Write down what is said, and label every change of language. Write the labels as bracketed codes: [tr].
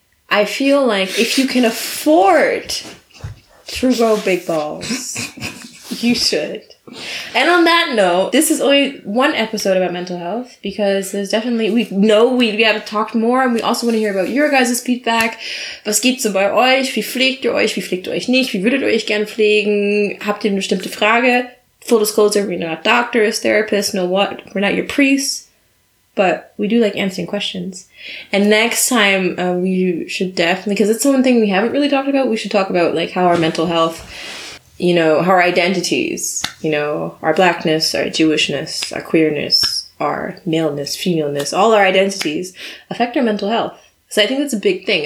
[en] I feel like if you can afford to grow big balls... You should. And on that note, this is only one episode about mental health, because there's definitely, we know we have talked more, and we also want to hear about your guys' feedback. [de] Was geht so bei euch? Wie pflegt ihr euch? Wie pflegt ihr euch nicht? Wie würdet ihr euch gern pflegen? Habt ihr eine bestimmte Frage? [en] Full disclosure, we're not doctors, therapists, know what? We're not your priests. But we do like answering questions. And next time, we should definitely, because it's one thing we haven't really talked about, we should talk about like how our mental health, you know, how our identities, you know, our blackness, our Jewishness, our queerness, our maleness, femaleness, all our identities affect our mental health. So I think that's a big thing.